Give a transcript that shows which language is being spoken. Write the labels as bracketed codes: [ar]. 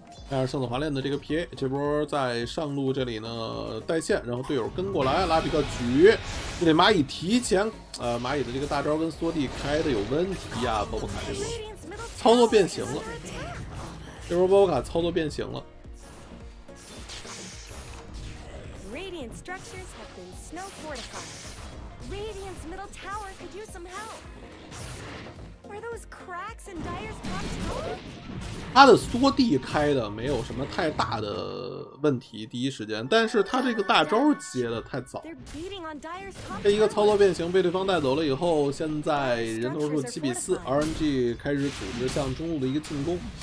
[zh] 但是圣子华链的这个 PA 这波在上路这里呢带线，然后队友跟过来，拉比克举这里蚂蚁提前蚂蚁的这个大招跟缩地开的有问题啊，波波卡这波操作变形了，这波波波卡操作变形了。 [en] Radiant structures have been snow fortified. Radiant's middle tower could use some help. Are those cracks in Dire's top tower? [zh] 他的缩地开的没有什么太大的问题，第一时间，但是他这个大招接的太早，这一个操作变形被对方带走了以后，现在人头数7-4， RNG 开始组织向中路的一个进攻。